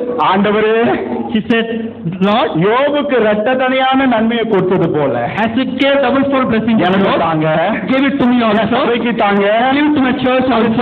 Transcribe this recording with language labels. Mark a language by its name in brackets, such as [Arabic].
[Tamil] ஆண்டவரே, [English] she said, Lord, [Tamil] யோபுக்கு ரத்த தனியான நன்மையை கொடுத்தது போல [English] as it gave double fold blessing [Tamil] எனக்கு தாங்க. [English] Give it to me also. [Tamil] சபைக்கு தாங்க. [English] Give it to my church also.